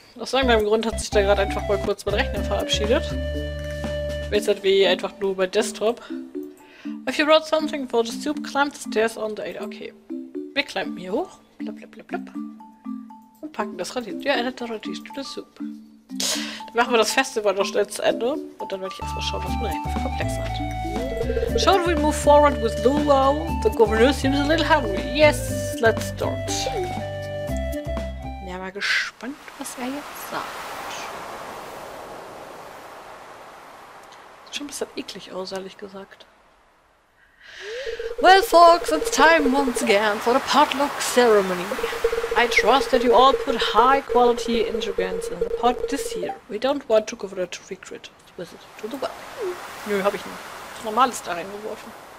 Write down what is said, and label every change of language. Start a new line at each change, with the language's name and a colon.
German: Aus irgendeinem Grund hat sich da gerade einfach mal kurz mein Rechner verabschiedet. Jetzt sind wir einfach nur bei Desktop.
English: If you brought something for the soup, climb the stairs on the 8.
German: Okay. Wir climben hier hoch. Blub, blub, blub, blub. Und packen das Radies.
English: Ja, added the Radies to the soup.
German: Dann machen wir das Festival noch schnell zu Ende. Und dann werde ich erstmal schauen, was mein Rechner für Komplex hat.
English: Shall we move forward with Luau? The governor seems a little hungry. Yes, let's start.
German: Ja, mal mal gespannt, was er jetzt sagt. Sieht schon ein bisschen eklig aus, ehrlich gesagt.
English: Well, folks, it's time once again for the potluck ceremony. I trust that you all put high quality ingredients in the pot this year. We don't want to go for a trick or treat to the well.
German: Nö, hab ich nicht. Normales da reingeworfen.